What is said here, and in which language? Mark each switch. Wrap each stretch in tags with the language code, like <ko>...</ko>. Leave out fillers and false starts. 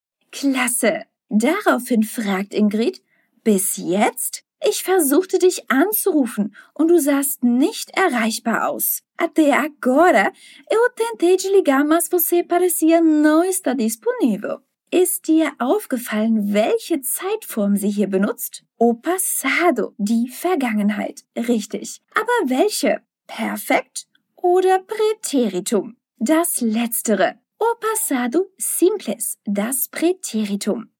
<de>Klasse! Daraufhin fragt Ingrid: Bis jetzt? Ich versuchte dich anzurufen und du sahst nicht erreichbar aus.</de> <pt>Até agora, eu tentei te ligar, mas você parecia não estar disponível.</pt> <de>Ist dir aufgefallen, welche Zeitform sie hier benutzt?</de> <pt>O passado,</pt> <de>die Vergangenheit. Richtig. Aber welche? Perfekt oder Präteritum? Das Letztere.</de> <pt>O passado simples, das Präteritum.</pt>